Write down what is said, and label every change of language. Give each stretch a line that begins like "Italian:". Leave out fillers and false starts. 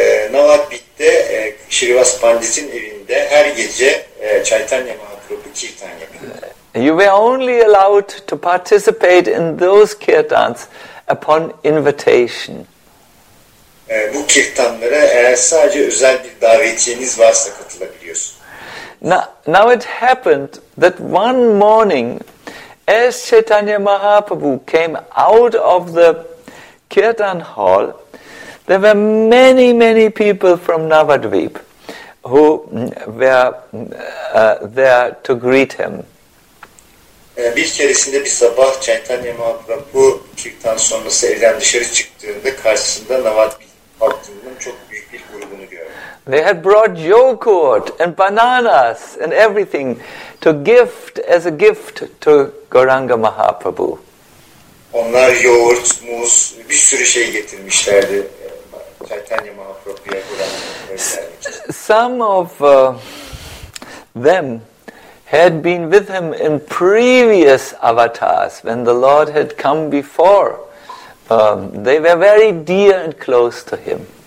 Turkish: Navadvip'te Srivas Pandit'in evinde her gece Chaitanya Mahaprabhu kirtan yapıyordu.
English: You were only allowed to participate in those kirtans upon invitation.
Turkish: Bu kirtanlara eğer sadece özel bir davetiyeniz varsa katılabiliyorsunuz.
English: Now it happened that one morning, as Chaitanya Mahaprabhu came out of the kirtan hall, there were many, many people from Navadvip who were there to greet him.
Turkish: Bir keresinde bir sabah Chaitanya Mahaprabhu kirtan sonrası evden dışarı çıktığında karşısında Navadvip halkının çok büyük bir grubunu gördü.
English: They had brought yogurt and bananas and everything to gift as a gift to Gauranga Mahaprabhu.
Turkish: Onlar yoğurt, muz, bir sürü şey getirmişlerdi Chaitanya Mahaprabhu'ya göndermek.
English: Some of them had been with him in previous avatars when the Lord had come before. They were very dear and close to him.